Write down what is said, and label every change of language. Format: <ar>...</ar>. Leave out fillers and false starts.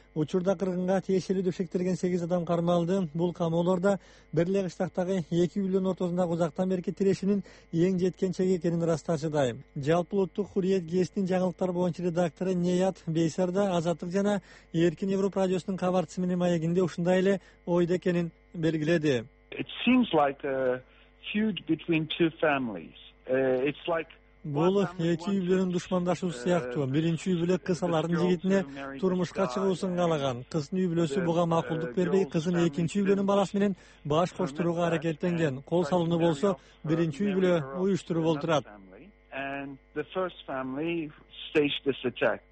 <ky>Учурда кыргынга тиешелүү деп шектелген 8 адам кармалды. Бул камоолорда бир эле кыштактагы эки үйлөнүн ортосундагы узактан берки тирешинин эң жеткен чеги экенин ырасташыдай. Жалпы улуттук Хурриет гезитинин жаңылыктар боюнча редактору Неят Бейсарда Азаттык жана Эркин Европа радиосунун кабарчысы менен маегинде ушундай эле ойдо экенин белгиледи.</ky> <en>It seems like a feud between two families. It's like</en> <ky>бул эки үйлөнүн душмандашуусу сыяктуу. Биринчи үй бүлө кыз алардын жигитине турмушка чыгуусун каалаган. Кыздын үй бүлөсү буга макулдук бербей, кызын экинчи үй бүлөнүн баласы менен баш коштурууга аракеттенген. Кол салынуу болсо, биринчи үй бүлө уюштуруп олтурат.</ky>